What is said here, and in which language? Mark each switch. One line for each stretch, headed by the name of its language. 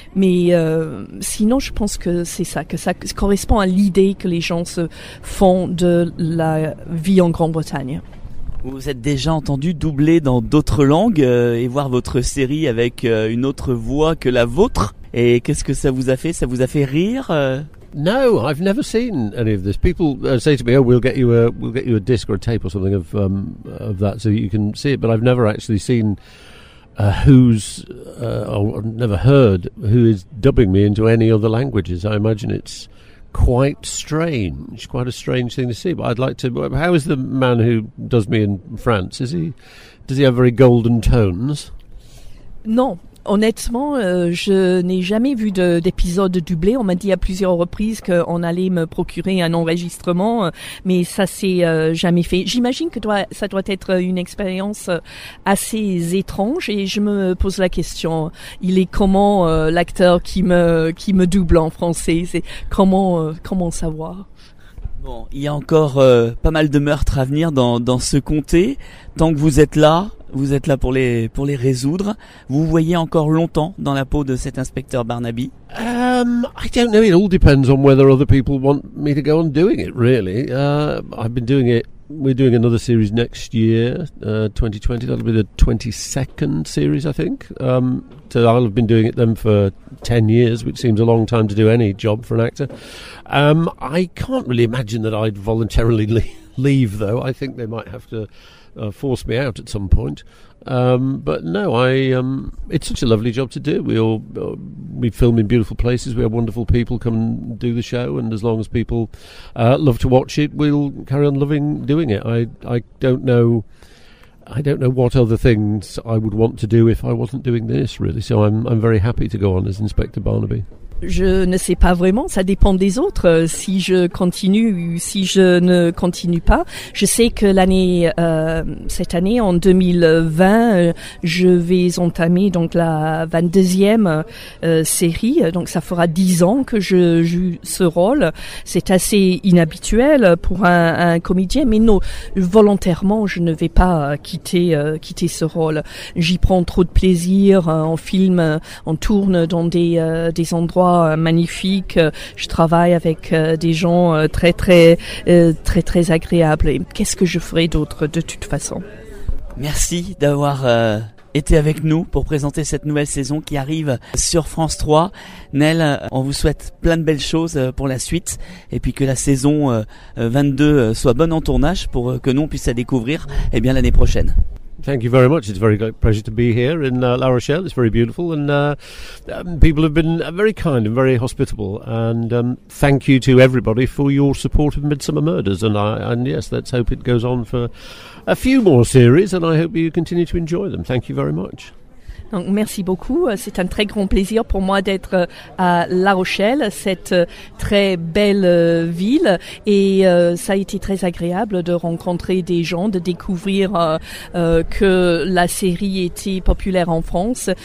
French: Mais sinon, je pense que c'est ça, que ça correspond à l'idée que les gens se font de la vie en Grande-Bretagne. Vous vous êtes déjà entendu doubler dans d'autres langues et voir votre série avec une autre voix que la vôtre. Et qu'est-ce que ça vous a fait? Ça vous a fait rire?
English: No, I've never seen any of this. People say to me, "Oh, we'll get you a disc or a tape or something of that, so you can see it." But I've never actually seen never heard who is dubbing me into any other languages. I imagine it's quite a strange thing to see. But I'd like to. How is the man who does me in France? Does he have very golden tones? No.
French: Honnêtement, je n'ai jamais vu d'épisode doublé. On m'a dit à plusieurs reprises qu'on allait me procurer un enregistrement, mais ça s'est jamais fait. J'imagine que ça doit être une expérience assez étrange et je me pose la question, il est comment l'acteur qui me double en français, c'est comment savoir? Bon, il y a encore pas mal de meurtres à venir dans ce comté. Tant que vous êtes là pour les résoudre. Vous voyez encore longtemps dans la peau de cet inspecteur Barnaby.
English: I don't know. It all depends on whether other people want me to go on doing it. Really, I've been doing it. We're doing another series next year, 2020. That'll be the 22nd series, I think. So I'll have been doing it then for 10 years, which seems a long time to do any job for an actor. I can't really imagine that I'd voluntarily leave, though. I think they might have to force me out at some point. But no, it's such a lovely job to do. We film in beautiful places. We have wonderful people come and do the show. And as long as people love to watch it, we'll carry on loving doing it. I don't know what other things I would want to do if I wasn't doing this, really. So I'm very happy to go on as Inspector Barnaby.
French: Je ne sais pas vraiment, ça dépend des autres, si je continue ou si je ne continue pas. Je sais que cette année, en 2020, je vais entamer donc la 22e série, donc ça fera 10 ans que je joue ce rôle. C'est assez inhabituel pour un comédien, mais non, volontairement, je ne vais pas quitter ce rôle. J'y prends trop de plaisir, en film, on tourne dans des endroits magnifique, je travaille avec des gens très très très très agréables. Et qu'est-ce que je ferai d'autre de toute façon? Merci d'avoir été avec nous pour présenter cette nouvelle saison qui arrive sur France 3. Nel, on vous souhaite plein de belles choses pour la suite et puis que la saison 22 soit bonne en tournage pour que nous on puisse la découvrir eh bien l'année prochaine.
English: Thank you very much. It's a very great pleasure to be here in La Rochelle. It's very beautiful and people have been very kind and very hospitable. And thank you to everybody for your support of Midsummer Murders. And yes, let's hope it goes on for a few more series and I hope you continue to enjoy them. Thank you very much.
French: Donc, merci beaucoup. C'est un très grand plaisir pour moi d'être à La Rochelle, cette très belle ville. Et ça a été très agréable de rencontrer des gens, de découvrir que la série était populaire en France.